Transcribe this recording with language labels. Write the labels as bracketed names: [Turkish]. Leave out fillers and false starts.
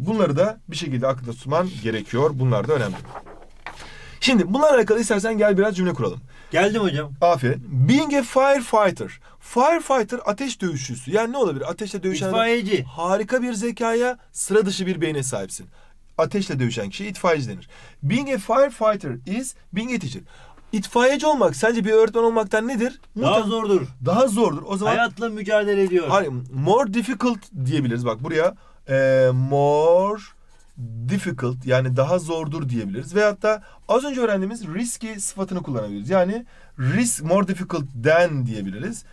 [Turkish] Bunları da bir şekilde aklında tutman gerekiyor. Bunlar da önemli. Şimdi bunlarla alakalı istersen gel biraz cümle kuralım. Geldim hocam. Aferin. [English] Being a firefighter. [Turkish] Firefighter ateş dövüşçüsü. Yani ne olabilir? Ateşle dövüşen... İtfaiyeci. Harika bir zekaya, sıra dışı bir beyne sahipsin. Ateşle dövüşen kişi itfaiyeci denir. [English] Being a firefighter is being a teacher. [Turkish] İtfaiyeci olmak sence bir öğretmen olmaktan nedir? Daha zordur. Daha zordur. O zaman... Hayatla mücadele ediyor. Hayır. [English] More difficult [Turkish] diyebiliriz. Bak buraya. More difficult yani daha zordur diyebiliriz. Veyahut da az önce öğrendiğimiz risky sıfatını kullanabiliriz. Yani [English] risk more difficult than [Turkish] diyebiliriz.